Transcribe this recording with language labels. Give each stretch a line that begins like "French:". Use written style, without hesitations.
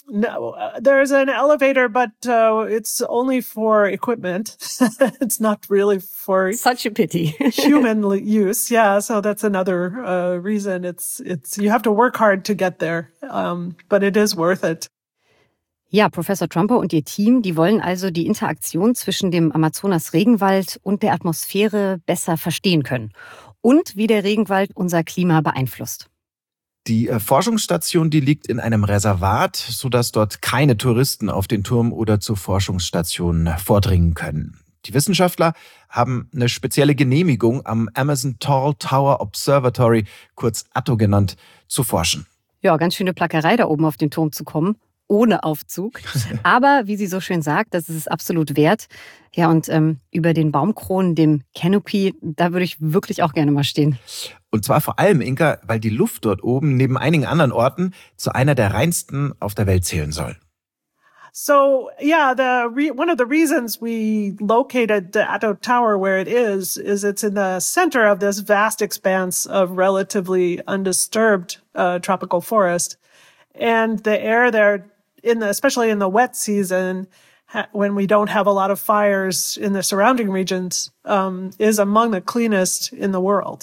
English: No, there is an elevator, but it's only for equipment. It's not really for such a pity human use. Yeah, so that's another reason. It's you have to work hard to get there, but it is worth it.
German: Ja, Professor Trumper und ihr Team, die wollen also die Interaktion zwischen dem Amazonas-Regenwald und der Atmosphäre besser verstehen können und wie der Regenwald unser Klima beeinflusst. Die Forschungsstation, die liegt in einem Reservat, sodass dort keine Touristen auf den Turm oder zur Forschungsstation vordringen können. Die Wissenschaftler haben eine spezielle Genehmigung am Amazon Tall Tower Observatory, kurz ATO genannt, zu forschen. Ja, ganz schöne Plackerei, da oben auf den Turm zu kommen. Ohne Aufzug. Aber wie sie so schön sagt, das ist es absolut wert. Ja, und über den Baumkronen, dem Canopy, da würde ich wirklich auch gerne mal stehen. Und zwar vor allem, Inka, weil die Luft dort oben neben einigen anderen Orten zu einer der reinsten auf der Welt zählen soll.
English: So, yeah, one of the reasons we located the ATO Tower where it is it's in the center of this vast expanse of relatively undisturbed tropical forest. And the air there, especially in the wet season, when we don't have a lot of fires in the surrounding regions, is among the cleanest in the world.